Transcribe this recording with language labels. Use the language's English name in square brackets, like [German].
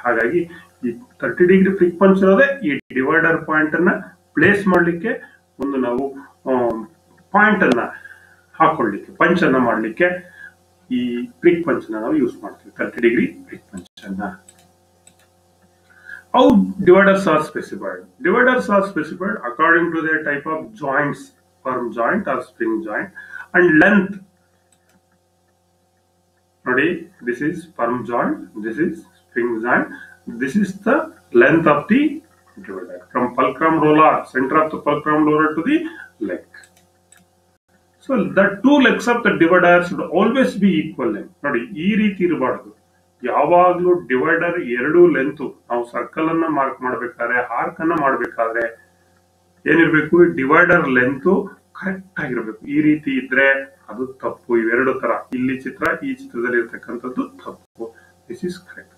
[Kannada] ಹಾಗಾಗಿ ಈ 30 degree prick punch ಇರೋದೆ ಈ ಡಿವೈಡರ್ ಪಾಯಿಂಟ್ ಅನ್ನ ಪ್ಲೇಸ್ ಮಾಡಲಿಕ್ಕೆ, ಒಂದು ನಾವು ಪಾಯಿಂಟ್ ಅನ್ನ ಹಾಕೊಳ್ಳಿಕ್ಕೆ, ಪಂಚ್ ಅನ್ನ ಮಾಡಲಿಕ್ಕೆ ಈ ಪ್ರಿಕ್ ಪಂಚ್ ಅನ್ನ ನಾವು ಯೂಸ್ ಮಾಡ್ತೀವಿ 30 ಡಿಗ್ರಿ ಪ್ರಿಕ್ ಪಂಚ್ ಅನ್ನ. [English] How dividers are specified? Dividers are specified according to their type of joints, firm joint or spring joint, and length. Ready? This is firm joint, this is spring joint, this is the length of the divider from fulcrum roller, center of the fulcrum roller to the leg. So the two legs of the divider should always be equal length. [Kannada] Ready? Ee reethi irabadu. ಯಾವಾಗಲೂ divider ಎರಡು length, ನಾವು circle ಅನ್ನ mark ಮಾಡಬೇಕಾದ್ರೆ, arc ಅನ್ನ ಮಾಡಬೇಕಾದ್ರೆ ಏನಿರಬೇಕು, divider length correct ಆಗಿರಬೇಕು. ಈ ರೀತಿ ಇದ್ರೆ ಅದು ತಪ್ಪು. ಇವೆರಡು ತರ, ಇಲ್ಲಿ ಚಿತ್ರ ಈ ಚಿತ್ರದಲ್ಲಿ ಇರತಕ್ಕಂಥದ್ದು ತಪ್ಪು. This is correct.